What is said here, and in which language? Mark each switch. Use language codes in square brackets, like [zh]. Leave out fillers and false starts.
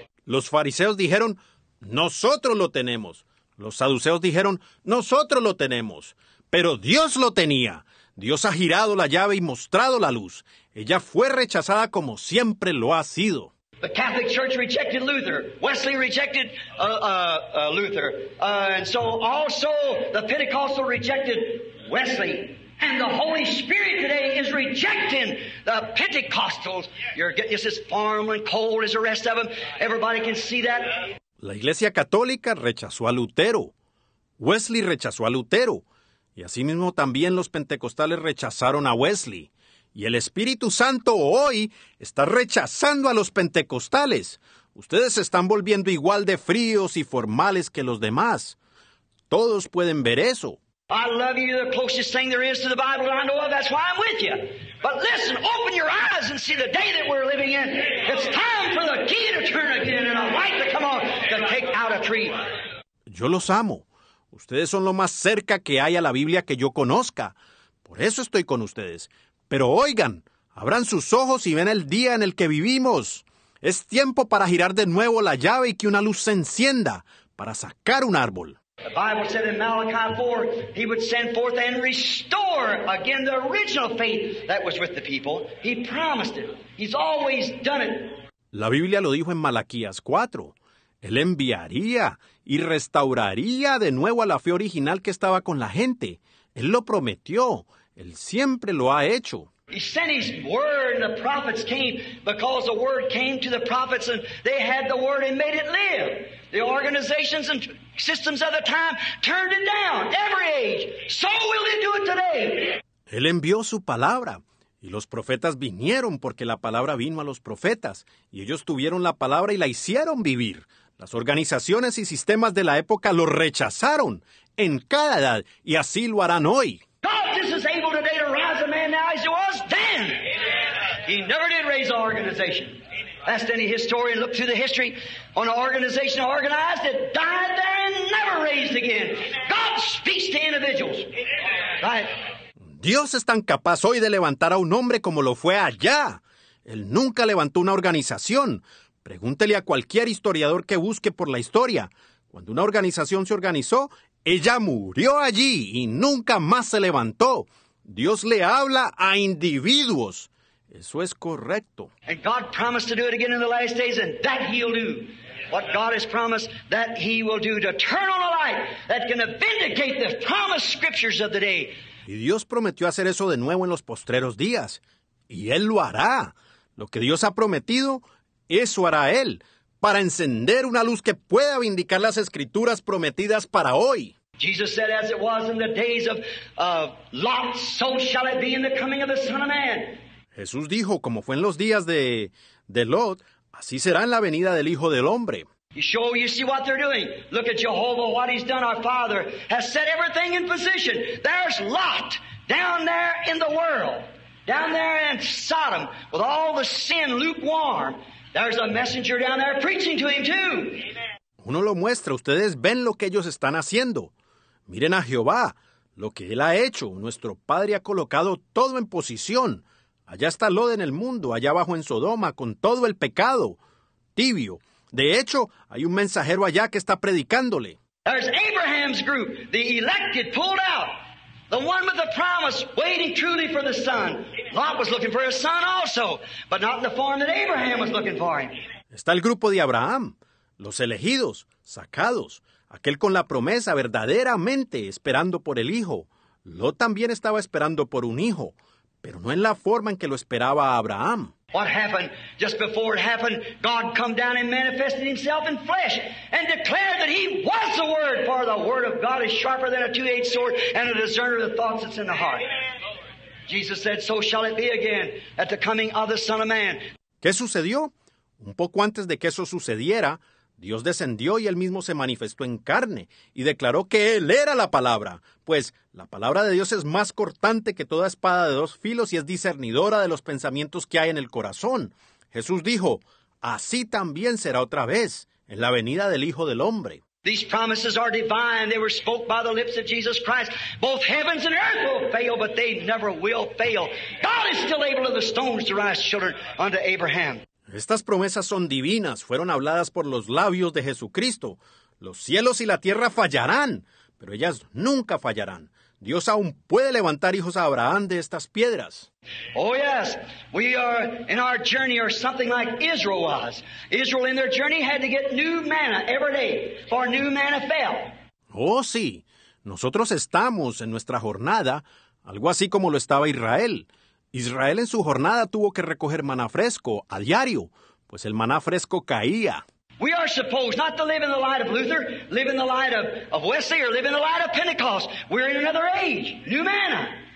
[es] Los fariseos dijeron, nosotros lo tenemos. Los saduceos dijeron, nosotros lo tenemos, pero Dios lo tenía. Dios ha girado la llave y mostrado la luz. Ella fue rechazada como siempre lo ha sido. [en] The Catholic Church rejected Luther. Wesley rejected Luther. And so also the Pentecostal rejected Wesley. And the Holy Spirit today is rejecting the Pentecostals. You're getting just as farm and cold as the rest of them. Everybody can see that. [es] La Iglesia Católica rechazó a Lutero. Wesley rechazó a Lutero. Y asimismo también los pentecostales rechazaron a Wesley. Y el Espíritu Santo hoy está rechazando a los pentecostales. Ustedes se están volviendo igual de fríos y formales que los demás. Todos pueden ver eso. [en] I love you, the closest thing there is to the Bible that I know of. That's why I'm with you. But listen, open your eyes and see the day that we're living in. It's time for the key to turn again and a light to come on to take out a tree. [es] Yo los amo. Ustedes son lo más cerca que hay a la Biblia que yo conozca. Por eso estoy con ustedes. Pero oigan, abran sus ojos y ven el día en el que vivimos. Es tiempo para girar de nuevo la llave y que una luz se encienda para sacar un árbol. [en] The Bible said in Malachi 4, he would send forth and restore again the original faith that was with the people. He promised it. He's always done it. [es] La Biblia lo dijo en Malaquías 4. Él enviaría y restauraría de nuevo a la fe original que estaba con la gente. Él lo prometió. Él siempre lo ha hecho. [en] He sent his word and the prophets came because the word came to the prophets and they had the word and made it live. The organizations and systems of the time turned it down, every age. So will they do it today. [es] Él envió su palabra y los profetas vinieron porque la palabra vino a los profetas y ellos tuvieron la palabra y la hicieron vivir. Las organizaciones y sistemas de la época lo rechazaron en cada edad y así lo harán hoy. [en] God just is able today to rise a man now as he was then. He never did raise an organization. Ask any historian, look through the history on an organization organized that died there and never raised again. God speaks to individuals. Right? [es] Dios es tan capaz hoy de levantar a un hombre como lo fue allá. Él nunca levantó una organización. Pregúntele a cualquier historiador que busque por la historia. Cuando una organización se organizó, ella murió allí y nunca más se levantó. Dios le habla a individuos. Eso es correcto. [en] And God promised to do it again in the last days, and that he'll do. What God has promised, that he will do, to turn on a light that can vindicate the promised scriptures of the day. [es] Y Dios prometió hacer eso de nuevo en los postreros días. Y él lo hará. Lo que Dios ha prometido, eso hará él. Para encender una luz que pueda vindicar las escrituras prometidas para hoy. [en] Jesus said, as it was in the days of Lot, so shall it be in the coming of the Son of Man. [es] Jesús dijo, como fue en los días de Lot, así será en la venida del Hijo del Hombre. [en] You see what they're doing. Look at Jehovah, what he's done. Our Father has set everything in position. There's Lot down there in the world. Down there in Sodom, with all the sin lukewarm. There's a messenger down there preaching to him too. [es] Uno lo muestra. Ustedes ven lo que ellos están haciendo. Miren a Jehová, lo que él ha hecho. Nuestro Padre ha colocado todo en posición. Allá está Lot en el mundo, allá abajo en Sodoma, con todo el pecado, tibio. De hecho, hay un mensajero allá que está predicándole. [en] There's Abraham's group, the elected, pulled out. The one with the promise, waiting truly for the son. Lot was looking for his son also, but not in the form that Abraham was looking for him. [es] Está el grupo de Abraham, los elegidos, sacados, aquel con la promesa verdaderamente esperando por el hijo. Lot también estaba esperando por un hijo. Pero no en la forma en que lo esperaba Abraham. [en] What happened? Just before it happened, God come down and manifested himself in flesh and declared that he was the Word, for the Word of God is sharper than a two-edged sword and a discerner of the thoughts that's in the heart. Jesus said, so shall it be again at the coming of the Son of Man. [es] ¿Qué sucedió? Un poco antes de que eso sucediera, Dios descendió y él mismo se manifestó en carne y declaró que él era la palabra, pues la palabra de Dios es más cortante que toda espada de dos filos y es discernidora de los pensamientos que hay en el corazón. Jesús dijo, así también será otra vez en la venida del Hijo del Hombre. [en] These promises are divine. They were spoke by the lips of Jesus Christ. Both heavens and earth will fail, but they never will fail. God is still able of the stones to rise children unto Abraham. [es] Estas promesas son divinas, fueron habladas por los labios de Jesucristo. Los cielos y la tierra fallarán, pero ellas nunca fallarán. Dios aún puede levantar hijos a Abraham de estas piedras. [en] Oh, yes, we are in our journey or something like Israel was. Israel in their journey had to get new manna every day, for new manna fell. [es] Oh, sí, nosotros estamos en nuestra jornada, algo así como lo estaba Israel. Israel en su jornada tuvo que recoger maná fresco a diario, pues el maná fresco caía. [en] We are supposed not to live in the light of Luther, live in the light of Wesley, or live in the light of Pentecost. We're in another age, new manna.